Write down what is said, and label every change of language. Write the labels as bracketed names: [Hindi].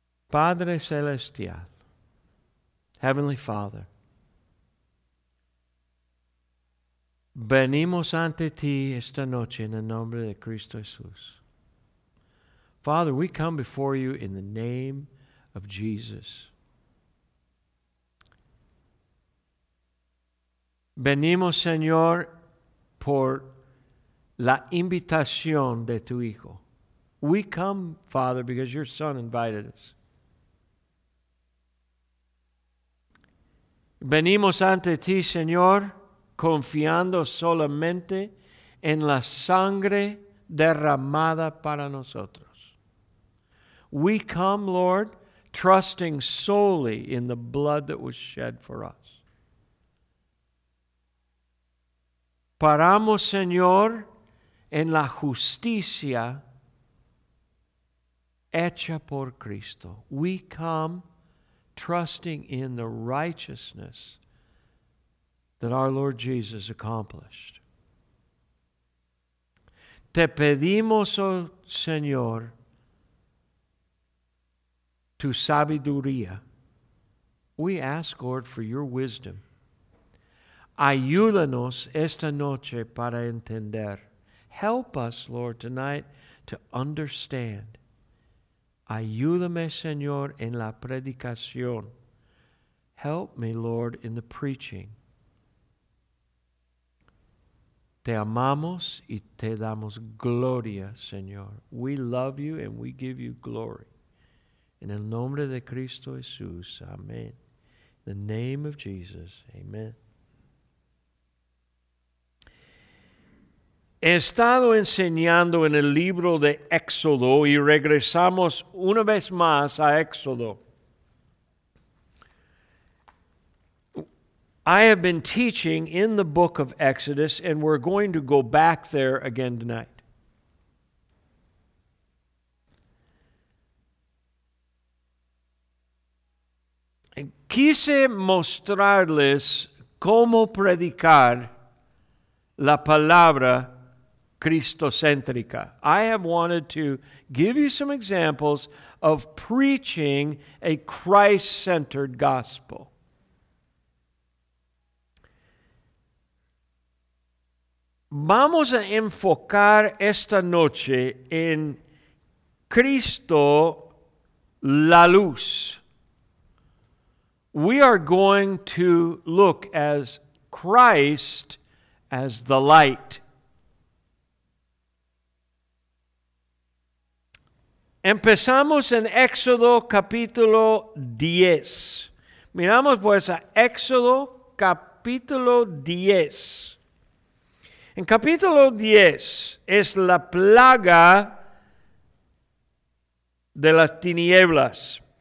[Spanish] Padre Celestial, [English] Heavenly Father, [Spanish] venimos ante ti esta noche en el nombre de Cristo Jesús. [English] Father, we come before you in the name of Jesus. [Spanish] Venimos, Señor, por la invitación de tu Hijo. [English] We come, Father, because your Son invited us. [Spanish] Venimos ante ti, Señor, confiando solamente en la sangre derramada para nosotros. [English] We come, Lord, trusting solely in the blood that was shed for us. [Spanish] Paramos, Señor, en la justicia hecha por Cristo. [English] We come trusting in the righteousness that our Lord Jesus accomplished. [Spanish] Te pedimos, oh Señor, tu sabiduría. [English] We ask, Lord, for your wisdom. [Spanish] Ayúdanos esta noche para entender. [English] Help us, Lord, tonight to understand. [Spanish] Ayúdame, Señor, en la predicación. [English] Help me, Lord, in the preaching. [Spanish] Te amamos y te damos gloria, Señor. [English] We love you and we give you glory. [Spanish] En el nombre de Cristo Jesús, amén. [English] In the name of Jesus, amen. [Spanish] He estado enseñando en el libro de Éxodo y regresamos una vez más a Éxodo. [English] I have been teaching in the book of Exodus and we're going to go back there again tonight. [Spanish] Quise mostrarles cómo predicar la palabra Cristocéntrica. [English] I have wanted to give you some examples of preaching a Christ-centered gospel. [Spanish] Vamos a enfocar esta noche en Cristo la luz. [English] We are going to look as Christ as the light. [Spanish] Empezamos en Éxodo capítulo 10. Miramos pues a Éxodo capítulo 10. En capítulo 10 es la plaga de las tinieblas.